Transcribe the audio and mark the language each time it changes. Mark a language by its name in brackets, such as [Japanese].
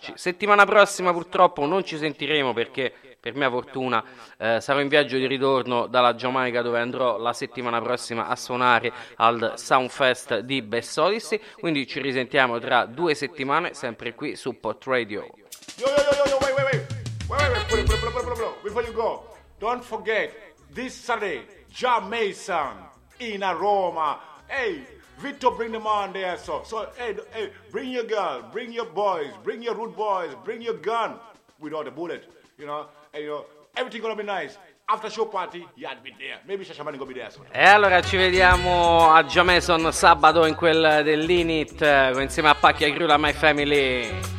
[Italian] Settimana prossima purtroppo non ci sentiremo perché per mia fortuna sarò in viaggio di ritorno dalla Giamaica, dove andrò la settimana prossima a suonare al Soundfest di Bessolis, quindi ci risentiamo tra due settimane sempre qui su POTRADIO. [English] Yo, wait, before you go, don't forget this Saturday, Jamaican in Roma. Hey, Vito, bring the man there, so hey, bring your girl, bring your boys, bring your rude boys, bring your gun. Without a bullet, you know, and you know, everything gonna be nice. After show party, YARDBEAT there. Maybe Shashamane gonna be there soon. [Italian] E allora ci vediamo a Jamaison sabato in quel dell'Init insieme a Pacchi e Grula, My Family.